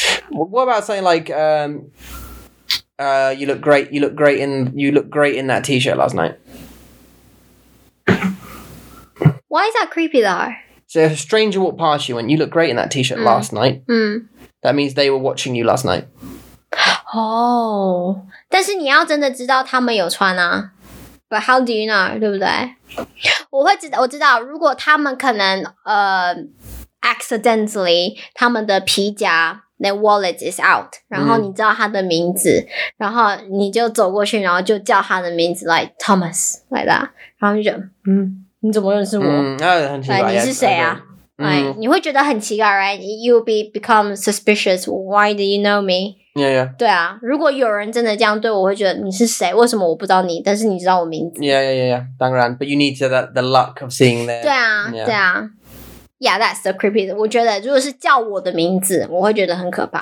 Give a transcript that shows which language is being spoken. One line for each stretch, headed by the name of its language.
English: What about saying like, you look great in that t-shirt last night? Why is that creepy though? So if a stranger walked past you and you look great in that t-shirt last night, that means they were watching you last night. Oh.
Chinese: 但是你要真的知道他们有穿啊。
English: But how do you know,
Chinese: 对不对？我知道，如果他们可能accidentally 他们的皮夹
English: their wallet is out，
Chinese: 然后你知道他的名字，然后你就走过去，然后就叫他的名字
English: like Thomas like that，
Chinese: 然后你就你怎么认识我？很奇怪，你是谁啊？Like, 你会觉得很奇怪 ，right？
English: You become suspicious. Why do you know me？ Yeah, yeah.
Chinese: 对啊，如果有人真的这样对我，会觉得你是谁？为什么我不知道你？但是你知道我名字。
English: Yeah, yeah, yeah, yeah.
Chinese: 当然
English: ，but you need to the luck of seeing them.
Chinese: 对啊，
English: yeah. 对啊。Yeah, that's the creepy.
Chinese: 我觉得如果是叫我的名字，我会觉得很可怕。